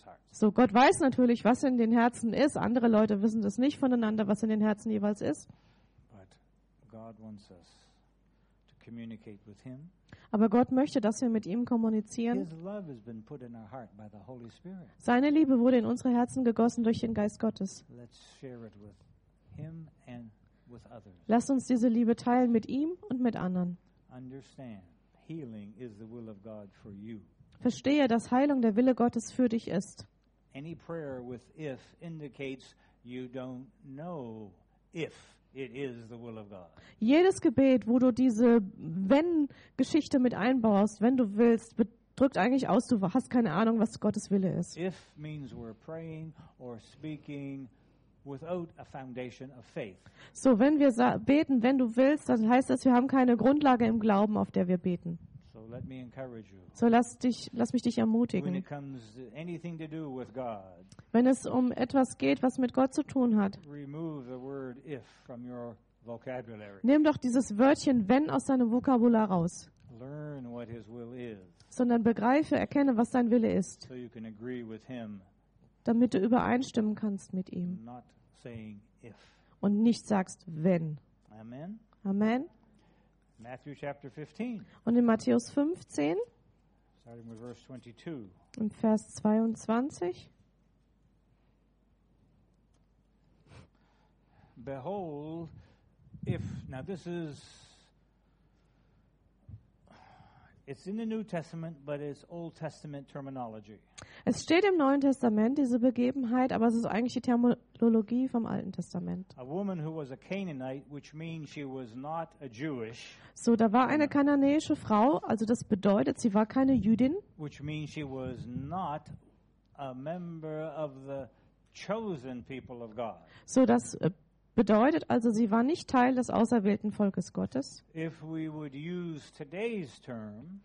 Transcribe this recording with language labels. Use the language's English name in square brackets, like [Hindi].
[German] So, Gott weiß natürlich, was in den Herzen ist. Andere Leute wissen das nicht voneinander, was in den Herzen jeweils ist. [English] God wants us to communicate with him. [German] Aber Gott möchte, dass wir mit ihm kommunizieren. [English] His love has been put in our heart by the Holy Spirit. [German] Seine Liebe wurde in unsere Herzen gegossen durch den Geist Gottes. [English] Let's share it with him and with others. [German] Lasst uns diese Liebe teilen mit ihm und mit anderen. [English] Understand, healing is the will of God for you. [German] Verstehe, dass Heilung der Wille Gottes für dich ist. [English] Any prayer with if indicates you don't know if it is the will of God. [German] Jedes Gebet, wo du diese Wenn-Geschichte mit einbaust, wenn du willst, drückt eigentlich aus, du hast keine Ahnung, was Gottes Wille ist. [English] If means we're praying or speaking without a foundation of faith. [German] So, wenn wir beten, wenn du willst, dann heißt das, wir haben keine Grundlage im Glauben, auf der wir beten. [English] So let me encourage you. [German] So lass mich dich ermutigen. [English] When it comes to anything to do with God, [German] wenn es um etwas geht, was mit Gott zu tun hat, [English] remove the word if from your vocabulary. [German] Nimm doch dieses Wörtchen wenn aus deinem Vokabular raus. [English] Learn what his will is. [German] Sondern begreife, erkenne, was sein Wille ist. [English] So you can agree with him. [German] Damit du übereinstimmen kannst mit ihm. [English] Not saying if. [German] Und nicht sagst wenn. [English] Amen. [German] Amen. [English] Matthew chapter 15. [German] Und in Matthäus 15, [English] starting with verse 22. [German] Im Vers 22. [English] Behold, if, now this is, it's in the New Testament, but it's Old Testament terminology. [German] Es steht im Neuen Testament, diese Begebenheit, aber es ist eigentlich die Terminologie vom Alten Testament. [English] A woman who was a Canaanite, which means she was not a Jewish. [German] So, da war eine kananäische Frau, also das bedeutet, sie war keine Jüdin. [English] Which means she was not a member of the chosen people of God. [German] So, das bedeutet also, sie war nicht Teil des auserwählten Volkes Gottes. [English] If we would use today's term,